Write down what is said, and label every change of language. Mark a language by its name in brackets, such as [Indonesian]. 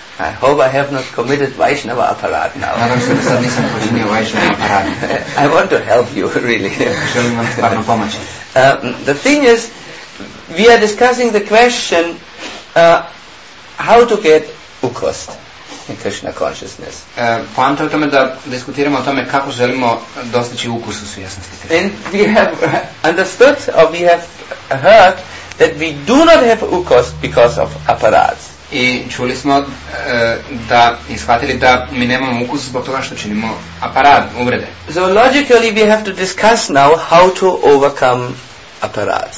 [English] I hope I have not committed Vaishnava aparat now. [Croatian] Nadam se da sad nisam počinio Vaishnava aparat. [English] I want to help you, really. [Croatian] Želim vam stvarno pomoći. [English] The thing is, we are discussing the question how to get ukost. Krishna consciousness. [Croatian] Poanta je u tome da diskutiramo o tome kako želimo dostići ukus u svjesnosti. [English] And we have understood, or we have heard, that we do not have ukus because of aparats. [Croatian] I čuli smo da, i shvatili da mi nemamo ukus zbog toga što činimo aparat, uvrede. [English] So logically we have to discuss now how to overcome aparats.